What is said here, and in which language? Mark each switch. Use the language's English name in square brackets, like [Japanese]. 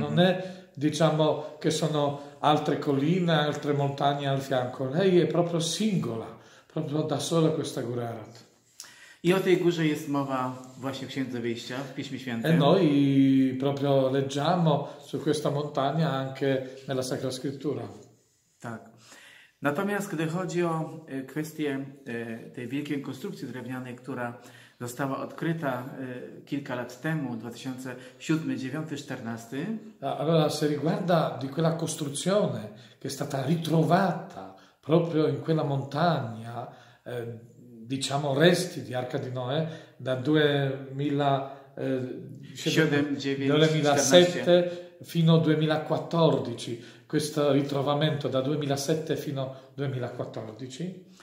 [Italian] Non è, diciamo, che sono altre colline, altre montagne al fianco. Lei è proprio singola, proprio da sola questa Góra Ararat. [Polish] I o tej górze jest mowa właśnie w Księdze Wyjścia, w Piśmie Świętym. [Italian] No i proprio leggiamo su questa montagna anche nella Sacra Scrittura. [Polish] Tak. Natomiast gdy chodzi o kwestię tej wielkiej konstrukcji drewnianej, która została odkryta kilka lat temu, 2007-2009-2014. [Italian] Allora, se riguarda di quella costruzione che è stata ritrovata proprio in quella montagna, diciamo resti di Arca di Noè da 2007 fino al 2014, questo ritrovamento da 2007 fino al 2014.